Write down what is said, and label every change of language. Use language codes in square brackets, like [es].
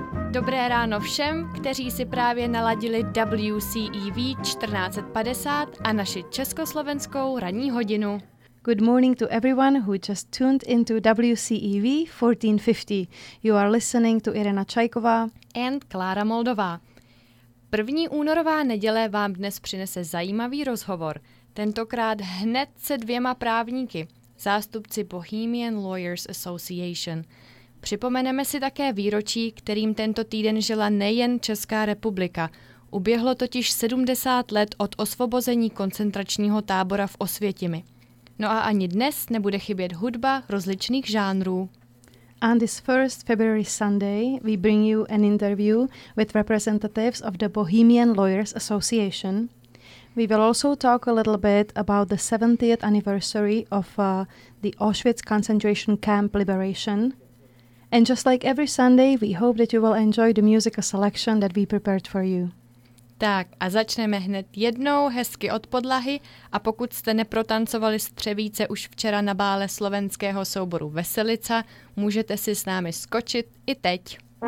[cs] Dobré ráno všem, kteří si právě naladili WCEV 1450 a naši československou ranní hodinu. [en] Good morning to everyone who just tuned into WCEV 1450. You are listening to Irena Čajková and Klára Moldová. [cs] První únorová neděle vám dnes přinese zajímavý rozhovor. Tentokrát hned se dvěma právníky, zástupci Bohemian Lawyers Association. Připomeneme si také výročí, kterým tento týden žila nejen Česká republika. Uběhlo totiž 70 let od osvobození koncentračního tábora v Osvětimi. No a ani dnes nebude chybět hudba rozličných žánrů. [en] On this first February Sunday, we bring you an interview with representatives of the Bohemian Lawyers Association. We will also talk a little bit about the 70th anniversary of the Auschwitz concentration camp liberation. And just like every Sunday, we hope that you will enjoy the musical selection that we prepared for you. [cs] Tak a začneme hned jednou hezky od podlahy a pokud jste neprotancovali střevíce už včera na bále slovenského souboru Veselica, můžete si s námi skočit i teď.